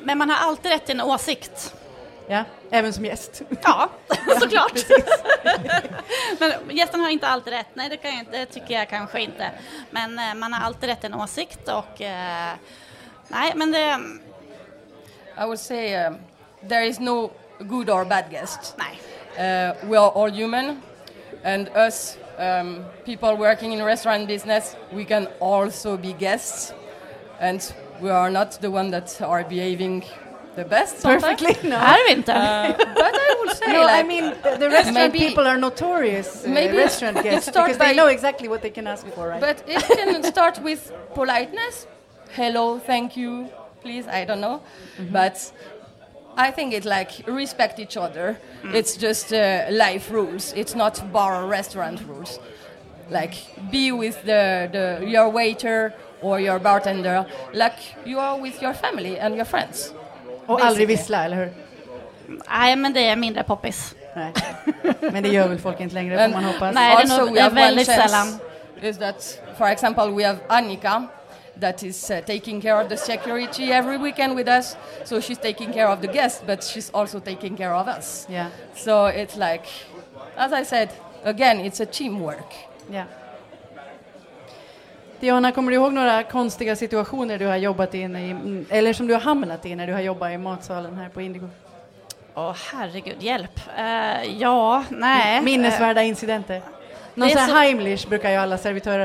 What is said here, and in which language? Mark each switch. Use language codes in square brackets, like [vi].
[sv] Men man har alltid rätt i en åsikt. Ja, även som gäst. Ja, såklart. Men gästen har inte alltid rätt. Nej, det tycker jag kanske inte. Men man har alltid rätt i en åsikt. Och nej, men det... [en] I would say there is no good or bad guest. [sv] Nej. [en] We are all human. And us... people working in restaurant business, we can also be guests, and we are not the one that are behaving the best perfectly sometimes. No. [sv] Är det inte? [en] But I will say, no, like, I mean, the restaurant maybe, people are notorious maybe restaurant guests because they know exactly what they can ask for, right? But it can start with politeness. Hello, thank you, please, I don't know. Mm-hmm. But I think it's like respect each other. Mm. It's just life rules. It's not bar or restaurant rules. Like be with the your waiter or your bartender like you are with your family and your friends. [sv] Och aldrig vissla, eller hur? Nej, men det är mindre poppis. Men det gör väl folk inte längre, får man hoppas. Nej, det är, also, nog, det är väldigt sällan. [en] Is that, for example, we have Annika that is taking care of the security every weekend with us. So she's taking care of the guests, but she's also taking care of us. Yeah. So it's like, as I said, again, it's a teamwork. Yeah. [sv] Diana, kommer du ihåg några konstiga situationer du har jobbat in i, eller som du har hamnat i när du har jobbat i matsalen här på Indigo? Åh, herregud, hjälp. Ja, nej. Minnesvärda incidenter. Någon sån här Heimlich brukar ju alla servitörer